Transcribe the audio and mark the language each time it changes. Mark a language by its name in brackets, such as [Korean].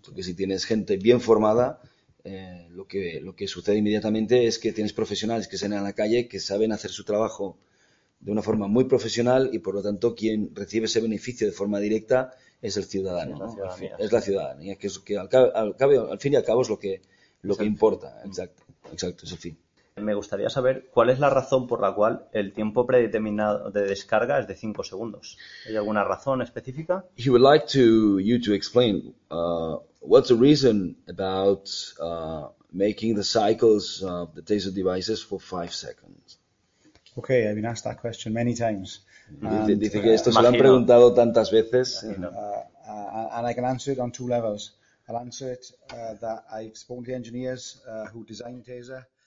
[Spanish] Porque si tienes gente bien formada, lo que sucede inmediatamente es que tienes profesionales que salen a la calle, que saben hacer su trabajo de una forma muy profesional, y por lo tanto quien recibe ese beneficio de forma directa es el ciudadano, sí, ¿no? Es la ciudadanía, que es que al fin y al cabo es lo que importa. Exacto, es el fin. Me gustaría saber cuál es la razón por la cual el tiempo predeterminado de descarga es de 5 segundos. ¿Hay alguna razón específica? [English] He would like to you to explain what's the reason about making the cycles of the taser devices for 5 seconds. Okay, I've been asked that question many times. [Spanish] Dice que esto se lo han preguntado tantas veces. [English] And I can answer it on two levels. I'll answer it that I've spoken to engineers who designed Taser.